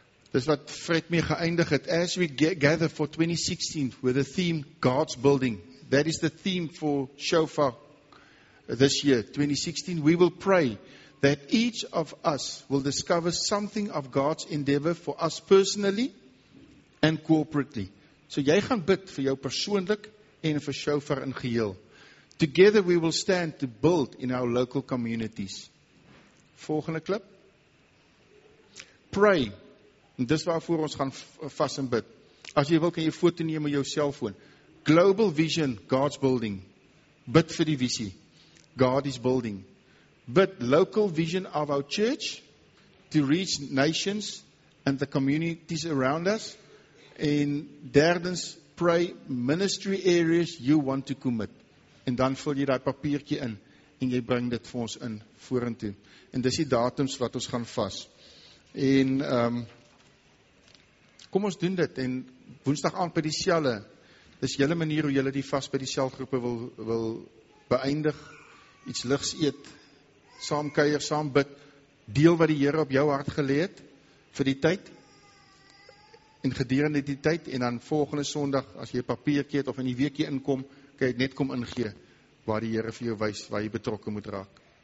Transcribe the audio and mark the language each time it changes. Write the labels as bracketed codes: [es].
[af] Dis wat Fred mee geëindig het, [en] as we gather for 2016 with the theme God's building, that is the theme for Shofar this year, 2016, we will pray that each of us will discover something of God's endeavor for us personally and corporately. [af] So jy gaan bid vir jou persoonlik en vir Shofar in geheel. [en] Together we will stand to build in our local communities. [af] Volgende klip. Pray. En dis waarvoor ons gaan vas en bid. As jy wil, kan jy foto neem met jou selfoon. [en] Global vision, God's building. [af] Bid vir die visie. [en] God is building. Bid local vision of our church to reach nations and the communities around us. [af] En derdens, [en] pray ministry areas you want to commit. [af] En dan vul jy daai papiertjie in. En jy bring dit vir ons in, vorentoe. En dis die datums wat ons gaan vas. En kom ons doen dit, en woensdag aand by die selle, dis julle manier hoe julle die vas by die selgroepe wil beëindig, iets ligs eet, saam kuier, saam bid, deel wat die Here op jou hart gelê het, vir die tyd, en gedurende die tyd, en dan volgende sondag, as jy papiertjie het, of in die weekie inkom, kan jy net kom ingee, waar die Here vir jou wys waar jy betrokke moet raak.